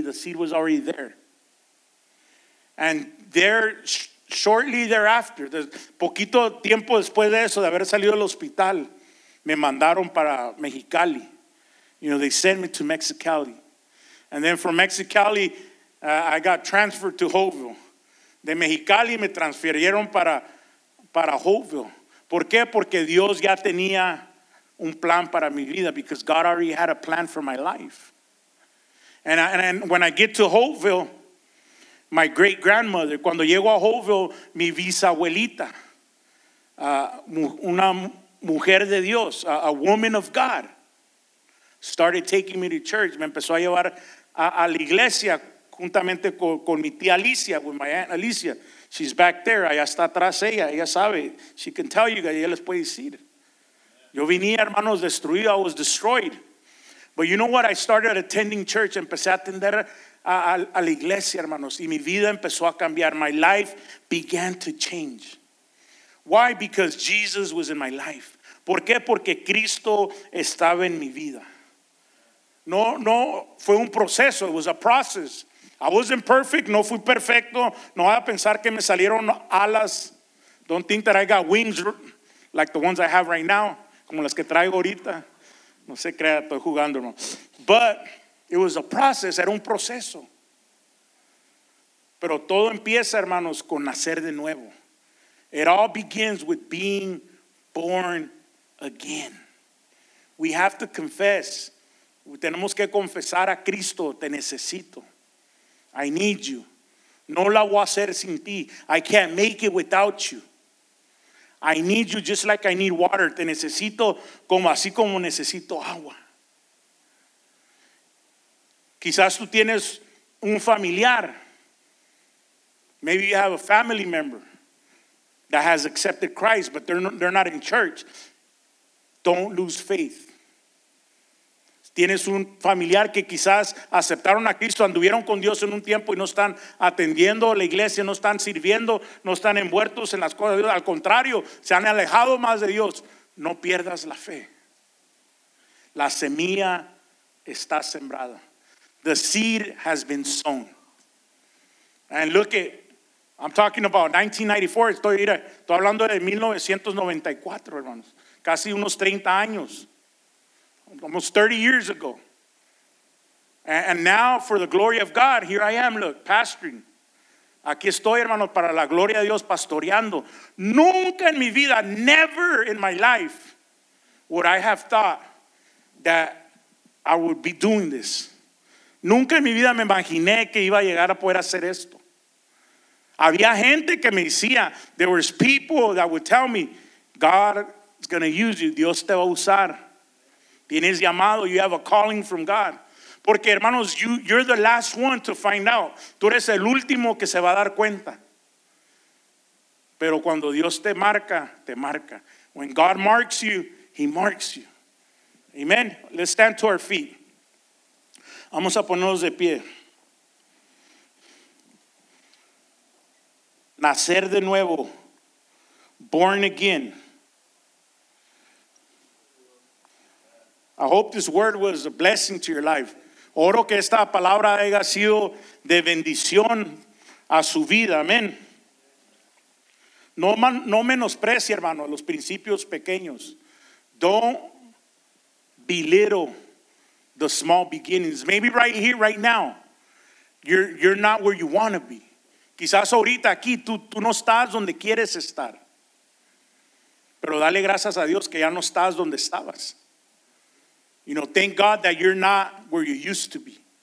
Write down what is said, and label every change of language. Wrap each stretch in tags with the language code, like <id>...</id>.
<en>The seed was already there. And there, shortly thereafter,</en> <es>poquito tiempo después de eso, de haber salido del hospital, me mandaron para Mexicali.</es> <en>You know, they sent me to Mexicali. And then from Mexicali, I got transferred to Hopeville.</en> <es>De Mexicali me transfirieron para Hopeville. ¿Por qué? Porque Dios ya tenía un plan para mi vida.</es> <en>Because God already had a plan for my life. And when I get to Hopeville, my great-grandmother,</en> <es>cuando llego a Hopeville, mi bisabuelita, una mujer de Dios,</es> <en>a woman of God, started taking me to church.</en> <es>Me empezó a llevar a la iglesia juntamente con mi tía Alicia,</es> <en>with my aunt Alicia. She's back there.</en> <es>Allá está atrás ella. Ella sabe.</es> <en>She can tell you guys.</en> <es>Ella les puede decir. Yo venía, hermanos, destruido.</es> <en>I was destroyed. But you know what? I started attending church.</en> <es>Empecé a atender a la iglesia, hermanos. Y mi vida empezó a cambiar.</es> <en>My life began to change. Why? Because Jesus was in my life.</en> <es>¿Por qué? Porque Cristo estaba en mi vida. No, fue un proceso.</es> <en>It was a process. I wasn't perfect.</en> <es>No fui perfecto. No voy a pensar que me salieron alas.</es> <en>Don't think that I got wings like the ones I have right now.</en> <es>Como las que traigo ahorita. No se crea, estoy jugando, no.</es> <en>But it was a process.</en> <es>Era un proceso. Pero todo empieza, hermanos, con nacer de nuevo.</es> <en>It all begins with being born again. We have to confess.</en> <es>Tenemos que confesar a Cristo. Te necesito.</es> <en>I need you.</en> <es>No la voy a hacer sin ti.</es> <en>I can't make it without you. I need you just like I need water.</en> <es>Te necesito como así como necesito agua. Quizás tú tienes un familiar.</es> <en>Maybe you have a family member that has accepted Christ, but they're not in church. Don't lose faith.</en> <es>Tienes un familiar que quizás aceptaron a Cristo, anduvieron con Dios en un tiempo y no están atendiendo la iglesia, no están sirviendo, no están envueltos en las cosas de Dios. Al contrario, se han alejado más de Dios. No pierdas la fe. La semilla está sembrada.</es> <en>The seed has been sown. And look at, I'm talking about 1994.</en> <es>Estoy hablando de 1994, hermanos. Casi unos 30 años.</es> <en>Almost 30 years ago. And now, for the glory of God, here I am, look, pastoring.</en> <es>Aquí estoy, hermano, para la gloria de Dios, pastoreando. Nunca en mi vida,</es> <en>never in my life, would I have thought that I would be doing this.</en> <es>Nunca en mi vida me imaginé que iba a llegar a poder hacer esto. Había gente que me decía,</es> <en>there was people that would tell me, God is going to use you,</en> <es>Dios te va a usar. Tienes llamado,</es> <en>you have a calling from God.</en> <es>Porque hermanos,</es> <en>you're the last one to find out.</en> <es>Tú eres el último que se va a dar cuenta. Pero cuando Dios te marca, te marca.</es> <en>When God marks you, he marks you.</en> <es>Amen.</es> <en>Let's stand to our feet.</en> <es>Vamos a ponernos de pie. Nacer de nuevo.</es> <en>Born again. I hope this word was a blessing to your life.</en> <es>Oro que esta palabra haya sido de bendición a su vida. Amén. No menosprecie, hermano, los principios pequeños.</es> <en>Don't belittle the small beginnings. Maybe right here, right now, you're not where you want to be.</en> <es>Quizás ahorita aquí, tú no estás donde quieres estar. Pero dale gracias a Dios que ya no estás donde estabas.</es> <en>You know, thank God that you're not where you used to be.</en>